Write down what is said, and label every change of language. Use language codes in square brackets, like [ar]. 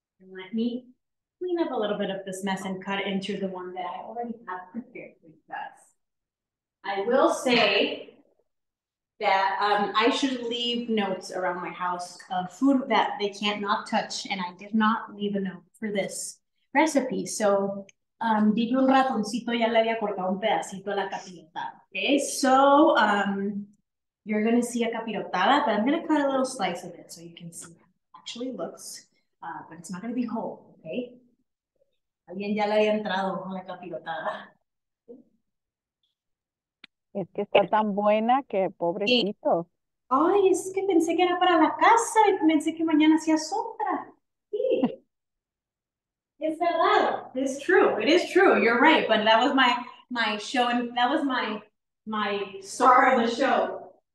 [en] Let me clean up a little bit of this mess and cut into the one that I already have prepared for you guys. I will say that I should leave notes around my house of food that they can't not touch, and I did not leave a note for this recipe. [es] So, dije un ratoncito, ya le había cortado un pedacito a la capirotada. [en] Okay, so you're going to see a capirotada, but I'm going to cut a little slice of it so you can see how it actually looks. But it's not going to be whole, okay? [es] Alguien ya le había entrado con la capirotada. Es que está tan buena que pobrecito. Ay, es que pensé que era para la casa y pensé que mañana hacía sombra. Sí. Es verdad. [en] It's true. It is true. You're right. But that was my show, and that was my star of the show.